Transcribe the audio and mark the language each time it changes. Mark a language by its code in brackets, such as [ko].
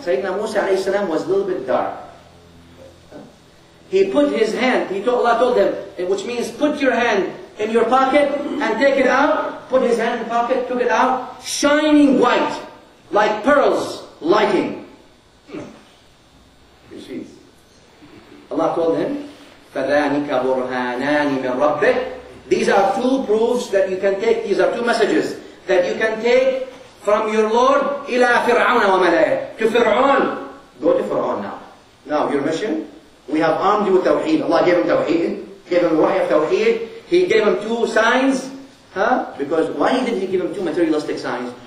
[en] Sayyidina Musa alayhi salam was a little bit dark. He put his hand, Allah told him, which means put your hand in your pocket and take it out. Put his hand in the pocket, took it out, shining white, like pearls lighting. [ar] Allah told him, فَذَانِكَ بُرْهَانَانِ مِنْ رَبِّكَ. [en] These are two proofs that you can take, these are two messages that you can take from your Lord إِلَى فِرْعَوْنَ وَمَلَئِهِ. To Fir'aun. Go to Fir'aun now. Now your mission? We have armed you with Tawheed. Allah gave him Tawheed. Gave him Wahy of Tawheed. He gave him two signs. Huh? Because why didn't he give him two materialistic signs?